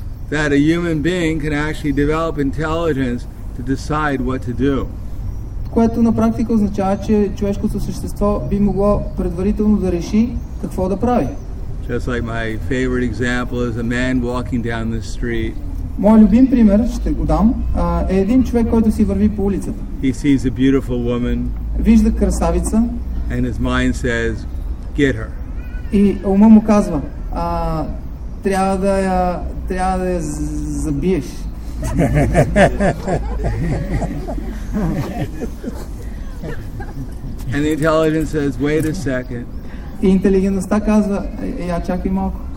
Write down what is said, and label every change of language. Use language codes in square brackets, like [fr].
[en] That a human being can actually develop intelligence to decide what to do. [bg] Което на практика означава, че човешкото същество би могло предварително да реши какво да прави. [en] Just like my favorite example is a man walking down the street. [bg] Мой любим пример, ще го дам, е един човек, който си върви по улицата. [en] He sees a beautiful woman. [bg] Вижда красавица. [en] And his mind says, get her. [bg] И ума му казва, трябва да я забиеш. [en] And the intelligence says, wait a second. [bg] И интелигентността казва, я чакай малко.